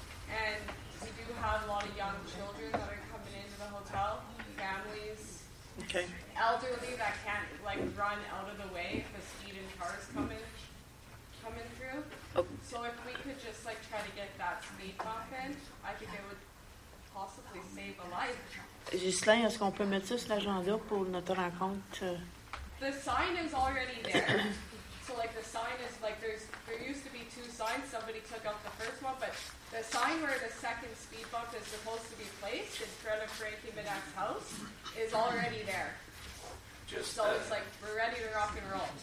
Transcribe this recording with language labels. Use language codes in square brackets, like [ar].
[en] And we do have a lot of young children that are coming into the hotel, families. Okay. Elderly that can't like run out of the way if the speed and cars coming through. Oh. So if we could just like try to get that speed bump in, I think it would possibly save a life. [fr] Ghislaine, est-ce qu'on peut mettre ça sur l'agenda pour notre rencontre? [en] The sign is already there. So like the sign is like there used to be two signs. Somebody took out the first one, but the sign where the second speed bump is supposed to be placed in front of Frankie Manette's house is already there. Just so it's like we're ready to rock and roll.